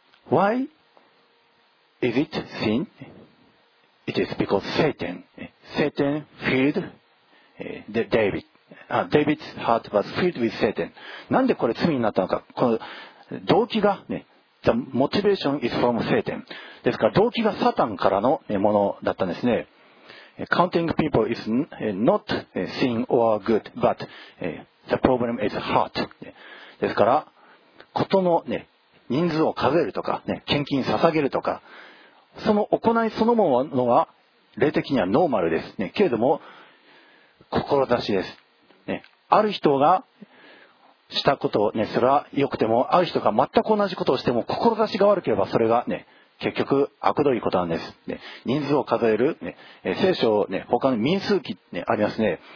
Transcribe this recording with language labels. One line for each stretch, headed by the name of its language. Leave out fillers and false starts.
English: Why is it sin? It is because Satan filled David. David's heart was filled with Satan.
Japanese: なんでこれ罪になったのか。この動機がね、
English: the motivation is from Satan.
Japanese: ですから動機がサタンからのものだったんですね。
English: Counting people is not sin or good, but the problem is heart.
Japanese: ですから、ことのね、人数を数えるとか、ね、献金捧げるとか、その行いそのものは霊的にはノーマルです、ね、けれども志です、ね、ある人がしたことを、ね、それは良くても、ある人が全く同じことをしても志が悪ければ、それが、ね、結局悪どいことなんです、ね、人数を数える、ね、聖書、ね、他の民数記、ね、ありますね。